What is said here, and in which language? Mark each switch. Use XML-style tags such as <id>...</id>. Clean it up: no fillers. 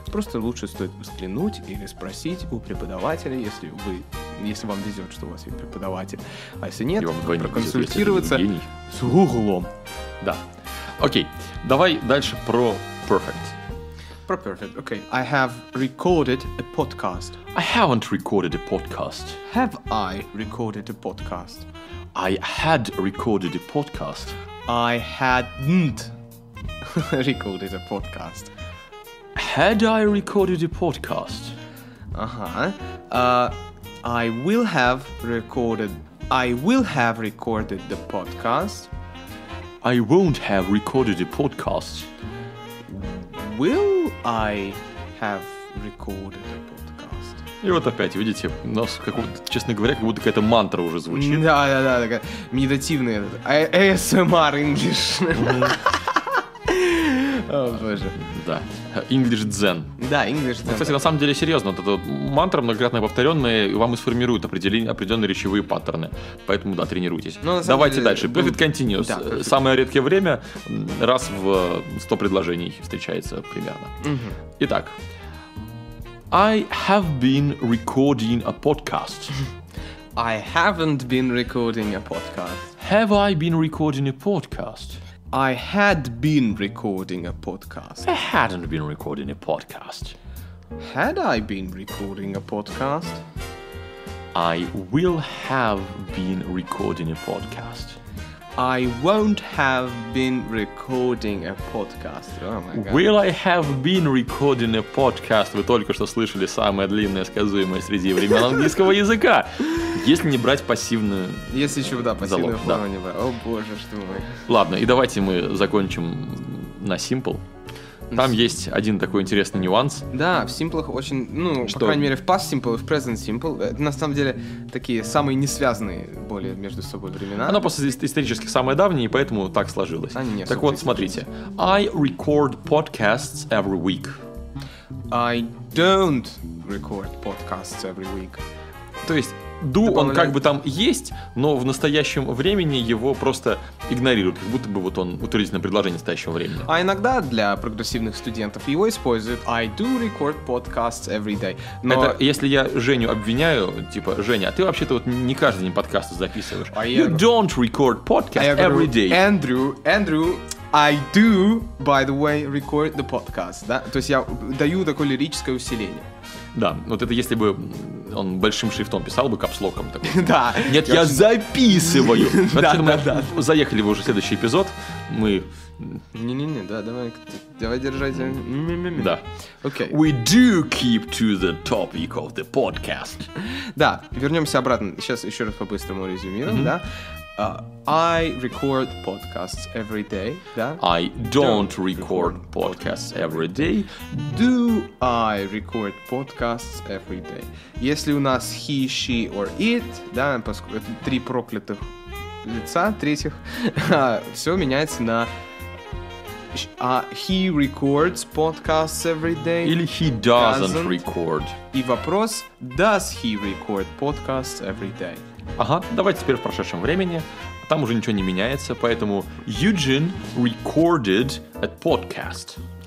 <ru>Просто лучше стоит взглянуть или спросить у преподавателя, если вы... Если вам везет, что у вас есть преподаватель. А если нет, проконсультироваться с Гуглом. Да. Окей, давай дальше про perfect. Про perfect, окей.</ru> <en>I have recorded a podcast. I haven't recorded a podcast. Have I recorded a podcast? I had recorded a podcast. I hadn't recorded a podcast. Had I recorded a podcast? Uh-huh. I will have recorded the podcast. I won't have recorded a podcast. Will I have recorded a podcast?</en> <ru>И вот опять, видите, у нас, как, честно говоря, как будто какая-то мантра уже звучит. Да-да-да, такая медитативная этот, ASMR English. О, боже. Да. English Zen. Да, English Zen. Кстати, на самом деле, серьезно, вот эта мантра многократно повторенная вам и сформирует определенные речевые паттерны. Поэтому, да, тренируйтесь. Но, давайте деле, дальше. Perfect Continuous. Да, самое редкое время раз в 100 предложений встречается примерно. Угу. Итак.</ru> <en>I have been recording a podcast. I haven't been recording a podcast. Have I been recording a podcast? I had been recording a podcast. I hadn't been recording a podcast. Had I been recording a podcast? I will have been recording a podcast. I won't have been recording a podcast. Oh my God. Will I have been recording a podcast?</en> <ru>Вы только что слышали самое длинное сказуемое среди времен английского языка. Если не брать пассивную залог. Если еще, да, пассивную форму, да. Не брать. О боже, что мы. Ладно, и давайте мы закончим на simple. Там есть один такой интересный нюанс. Да, в симплах очень, ну, что? По крайней мере, в past simple и в present simple, это на самом деле такие самые несвязанные более между собой времена. Оно просто исторически самое давнее, и поэтому так сложилось. А, не, так вот, смотрите.</ru> <en>I record podcasts every week. I don't record podcasts every week.</en> <ru>То есть, do добавляю... он как бы там есть, но в настоящем времени его просто игнорируют, как будто бы вот он утвердительное предложение настоящего времени. А иногда для прогрессивных студентов его используют</ru> <en>I do record podcasts every day.</en> <ru>Но... Это если я Женю обвиняю, типа, Женя, а ты вообще-то вот не каждый день подкасты записываешь. А я...</ru> <en>You don't record podcasts every day. Andrew, I do, by the way, record the podcast,</en> <ru>да? То есть я даю такое лирическое усиление. Да, вот это если бы он большим шрифтом писал бы, капслоком такой. Да. Нет, я записываю. Да, да, да. Заехали вы уже в следующий эпизод. Мы... Не-не-не, да, давай держать. Да. Окей.</ru> <en>We do keep to the topic of the podcast.</en> <ru>Да, вернемся обратно. Сейчас еще раз по-быстрому резюмируем, да.</ru> <en>I record podcasts every day,</en> <ru>да?</ru> <en>I don't record podcasts every day. Do I record podcasts every day?</en> <ru>Если у нас</ru> <en>he, she or it,</en> <ru>да, поскольку три проклятых лица, третьих, все меняется на</ru> <en>he records podcasts every day.</en> <ru>Или</ru> <en>he doesn't record.</en> <ru>И вопрос,</ru> <en>does he record podcasts every day?</en> <ru>Ага, давайте теперь в прошедшем времени. Там уже ничего не меняется, поэтому</ru> <en>Eugene recorded a podcast.</en>